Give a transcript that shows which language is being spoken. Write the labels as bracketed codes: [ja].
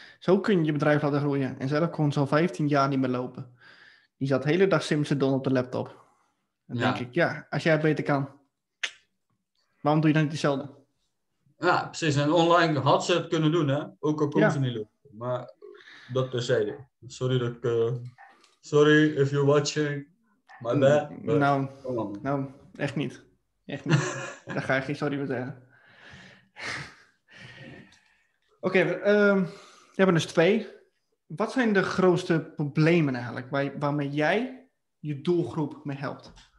[nl] Zo kun je je bedrijf laten groeien. En zelf kon zo 15 jaar niet meer lopen. Die zat de hele dag Simpson doen op de laptop. En ja. Denk ik, ja, als jij het beter kan, waarom doe je dan niet hetzelfde? Ja, precies. En online had ze het kunnen doen, hè? Ook al kon ze niet lopen. Maar dat terzijde. Sorry dat ik... [en] Sorry if you're watching. My bad. [nl] Nou, echt niet. Echt niet. Daar ga ik geen sorry voor zeggen. Oké, we hebben dus twee. Wat zijn de grootste problemen eigenlijk waarmee jij je doelgroep mee helpt?